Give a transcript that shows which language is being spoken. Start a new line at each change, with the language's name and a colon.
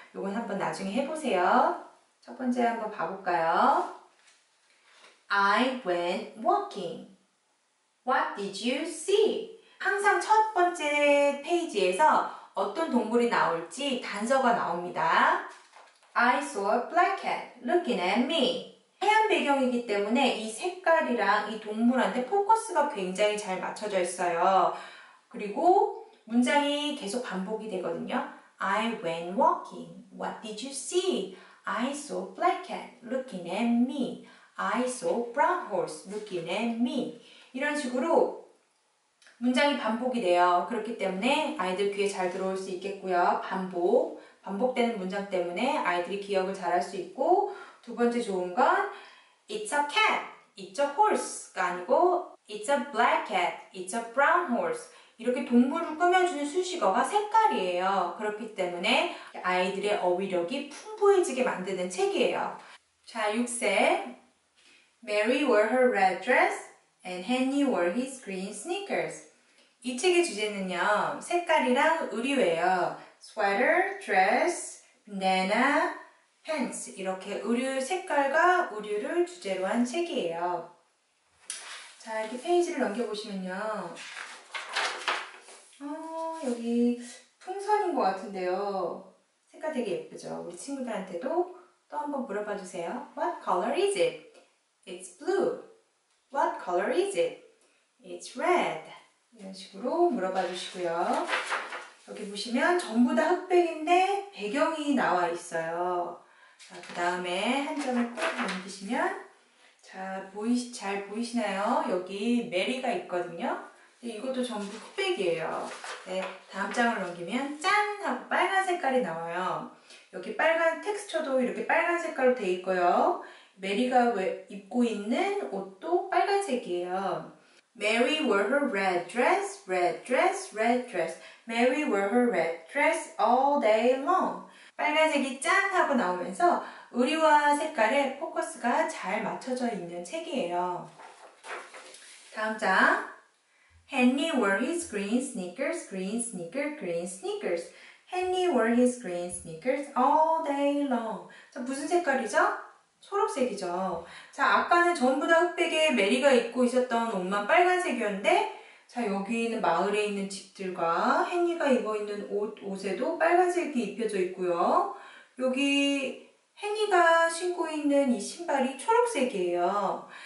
Korean: 이건 한번 나중에 해보세요. 첫 번째 한번 봐볼까요?
English: I went walking. What did you see?
Korean: 항상 첫 번째 페이지에서 어떤 동물이 나올지 단서가 나옵니다.
English: I saw a black cat looking at me.
Korean: 하얀 배경이기 때문에 이 색깔이랑 이 동물한테 포커스가 굉장히 잘 맞춰져 있어요. 그리고 문장이 계속 반복이 되거든요.
English: I went walking. What did you see? I saw a black cat looking at me. I saw a brown horse looking at me.
Korean: 이런 식으로 문장이 반복이 돼요. 그렇기 때문에 아이들 귀에 잘 들어올 수 있겠고요. 반복되는 문장 때문에 아이들이 기억을 잘할 수 있고 두 번째 좋은 건
English: It's a cat, it's a horse가 아니고 It's a black cat, it's a brown horse
Korean: 이렇게 동물을 꾸며주는 수식어가 색깔이에요. 그렇기 때문에 아이들의 어휘력이 풍부해지게 만드는 책이에요. 자, 6세
English: Mary wore her red dress and Henry wore his green sneakers
Korean: 이 책의 주제는요, 색깔이랑 의류예요.
English: Sweater, dress, banana, pants
Korean: 이렇게 의류 색깔과 의류를 주제로 한 책이에요. 자, 이렇게 페이지를 넘겨보시면요. 여기 풍선인 것 같은데요. 색깔 되게 예쁘죠? 우리 친구들한테도 또 한번 물어봐 주세요.
English: What color is it? It's blue. What color is it? It's red.
Korean: 이런 식으로 물어봐 주시고요. 이렇게 보시면 전부 다 흑백인데 배경이 나와 있어요. 자, 그 다음에 한 점을 꼭 넘기시면 잘 보이시나요? 여기 메리가 있거든요. 이것도 전부 흑백이에요. 네, 다음 장을 넘기면 짠! 하고 빨간 색깔이 나와요. 여기 빨간 텍스처도 이렇게 빨간 색깔로 되어 있고요. 메리가 입고 있는 옷도 빨간색이에요.
English: Mary wore her red dress, red dress, red dress. Mary wore her red dress all day long.
Korean: 빨간색이 짠 하고 나오면서 의류와 색깔에 포커스가 잘 맞춰져 있는 책이에요. 다음 장.
English: Henry wore his green sneakers, green sneaker, green sneakers. Henry wore his green sneakers all day long.
Korean: 자, 무슨 색깔이죠? 초록색이죠. 자, 아까는 전부 다 흑백에 메리가 입고 있었던 옷만 빨간색이었는데 자, 여기 있는 마을에 있는 집들과 헨리가 입어 있는 옷에도 빨간색이 입혀져 있고요. 여기 헨리가 신고 있는 이 신발이 초록색이에요.